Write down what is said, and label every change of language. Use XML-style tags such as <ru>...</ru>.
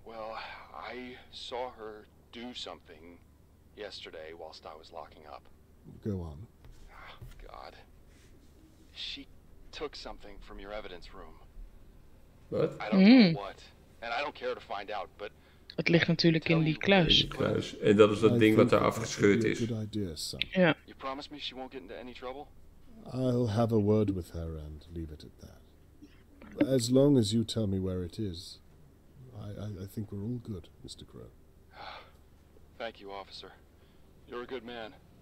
<en>Well, I saw her do something yesterday whilst I was locking up. Go on. Oh, God. She took something from your evidence room. What? I don't know what. And I don't care to find out, but...</en> <nl>Het ligt natuurlijk in die kluis. En dat is dat ding wat daar afgescheurd is.</nl> <en>Idea,</en> <nl>ja.</nl> <en>You promise me she won't get into any trouble? I'll have a word with her and leave it at that. As long as you tell me where it is, I think we're all good, Mr. Crow. Thank you, officer. You're a good man.</en>